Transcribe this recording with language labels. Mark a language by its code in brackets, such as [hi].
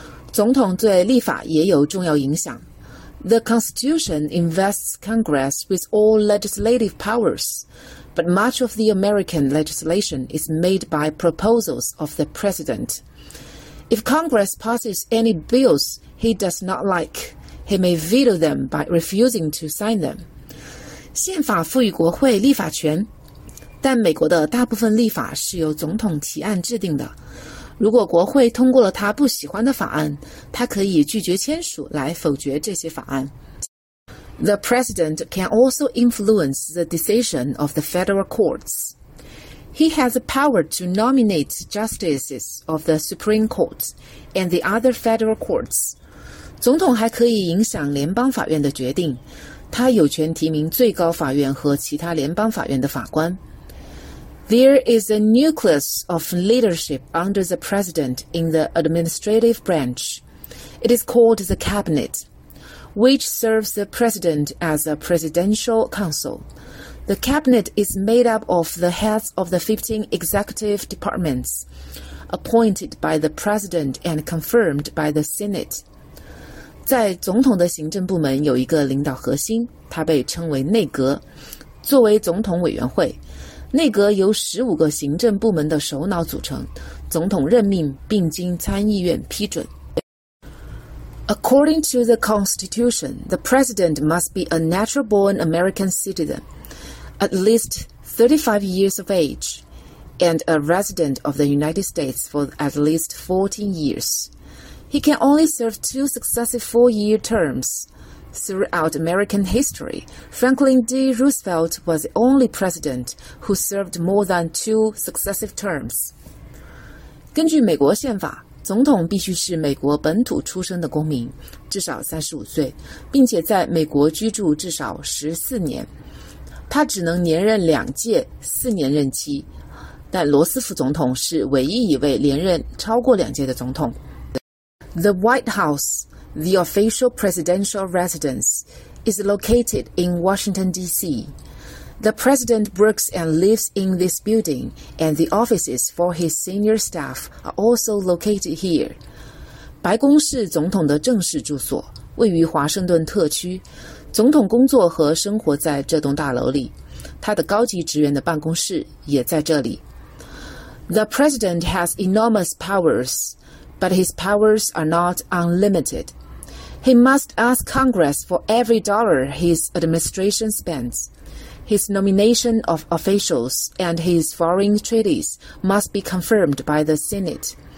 [zh] 总统对立法也有重要影响。 [en] The Constitution invests Congress with all legislative powers. But much of the American legislation is made by proposals of the president. If Congress passes any bills he does not like, he may veto them by refusing to sign them. [zh] 宪法赋予国会立法权，但美国的大部分立法是由总统提案制定的。如果国会通过了他不喜欢的法案，他可以拒绝签署来否决这些法案。 [en] The president can also influence the decision of the federal courts. He has the power to nominate justices of the Supreme Court and the other federal courts. [zh] 总统还可以影响联邦法院的决定，他有权提名最高法院和其他联邦法院的法官。 [en] There is a nucleus of leadership under the president in the administrative branch. It is called the cabinet. Which serves the president as a presidential council. The cabinet is made up of the heads of the 15 executive departments, appointed by the president and confirmed by the Senate. [zh] 在总统的行政部门有一个领导核心，它被称为内阁。作为总统委员会，内阁由15个行政部门的首脑组成，总统任命并经参议院批准。 [en] According to the Constitution, the President must be a natural-born American citizen, at least 35 years of age, and a resident of the United States for at least 14 years. He can only serve two successive four-year terms. Throughout American history, Franklin D. Roosevelt was the only president who served more than two successive terms. [zh] 根据美国宪法，总统必须是美国本土出生的公民，至少35岁，并且在美国居住至少14年。他只能连任两届四年任期，但罗斯福总统是唯一一位连任超过两届的总统。 [en] The White House, the official presidential residence, is located in Washington, D.C. The president works and lives in this building, and the offices for his senior staff are also located here. [zh] 白宫是总统的正式住所，位于华盛顿特区。总统工作和生活在这栋大楼里，他的高级职员的办公室也在这里。 [en] The president has enormous powers, but his powers are not unlimited. He must ask Congress for every dollar his administration spends. His nomination of officials and his foreign treaties must be confirmed by the Senate.